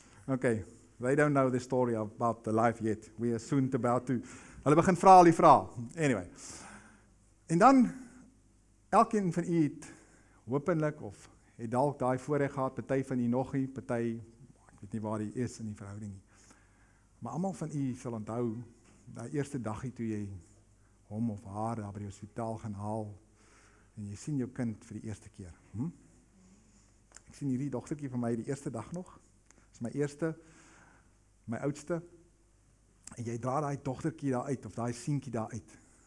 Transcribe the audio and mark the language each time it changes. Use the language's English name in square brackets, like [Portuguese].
[English] Okay, they don't know the story about the life yet. We are soon about to. [Afrikaans] Hulle begin vra al die vra. [English] Anyway. [Afrikaans] En dan, elkeen van u het hopelik of het dalk daai voorreg gehad, party van u nog nie, party, ek weet nie waar u is in die verhouding nie. Maar allemaal van u sal onthou, daai eerste dagie toe jy hom of haar daar by die hospitaal gaan haal, en jy sien jou kind vir die eerste keer. Ek sien hierdie dogtertjie van my die eerste dag nog, is my eerste, my oudste, en jy dra daai dogtertjie daar uit, of daai seentjie daar uit.